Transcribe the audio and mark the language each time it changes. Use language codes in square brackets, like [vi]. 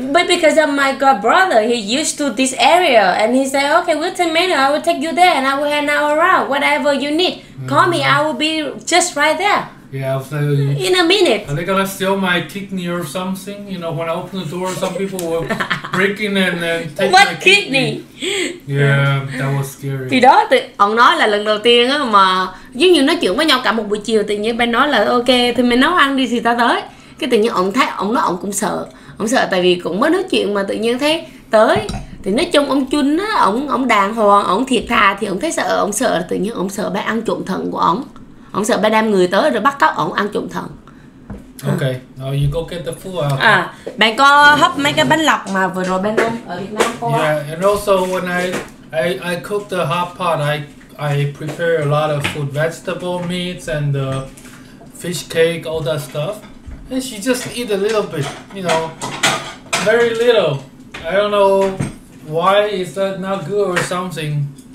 [en] But because of my god brother, he used to this area, and he said, "Okay, we'll 10 minutes. I will take you there, and I will hang out around. Whatever you need, call me. I will be just right there Yeah, I was like, in a minute." are they gonna steal my kidney or something? You know, when I open the door, some people will break in and take What my kidney. kidney? Yeah, that was scary. [vi] Thì đó, thì ông nói là lần đầu tiên á mà giống như nói chuyện với nhau cả một buổi chiều, tự nhiên bên nói là ok, thì mình nấu ăn đi thì ta tới. Cái tự nhiên ông thấy ông nói ông cũng sợ. Ông sợ tại vì cũng mới nói chuyện mà tự nhiên thấy tới. Thì nói chung ông Chun á, ông đàng hoàng, ông thiệt thà thì ông thấy sợ, ông sợ là tự nhiên ông sợ bé ăn trộm thận của ông. Ông sợ bé đem người tới rồi bắt cóc ông ăn trộm thận. [en] Okay, now you go get the food out. [vi] À, bạn có hấp mấy cái bánh lọc mà vừa rồi bên ông ở Việt Nam có không? [en] Yeah, and also when I cook the hot pot, I prepare a lot of food, vegetable meats and the fish cake, all that stuff. And she just eat a little bit, you know, very little. I don't know why is that not good or something.